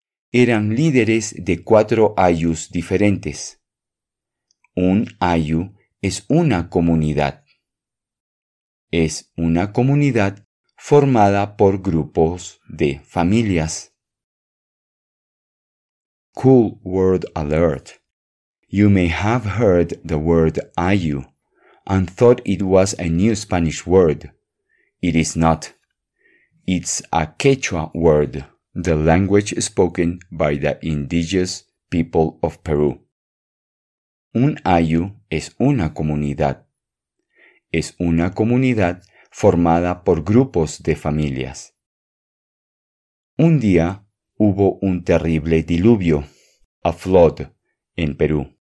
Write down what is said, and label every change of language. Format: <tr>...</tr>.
<es>Eran líderes de cuatro ayus diferentes. Un ayu es una comunidad. Es una comunidad formada por grupos de familias.</es> <en>Cool word alert. You may have heard the word ayu and thought it was a new Spanish word. It is not. It's a Quechua word, the language spoken by the indigenous people of Peru.</en> <es>Un ayu es una comunidad. Es una comunidad formada por grupos de familias. Un día hubo un terrible diluvio,</es> <en>a flood,</en> <es>en Perú.</es>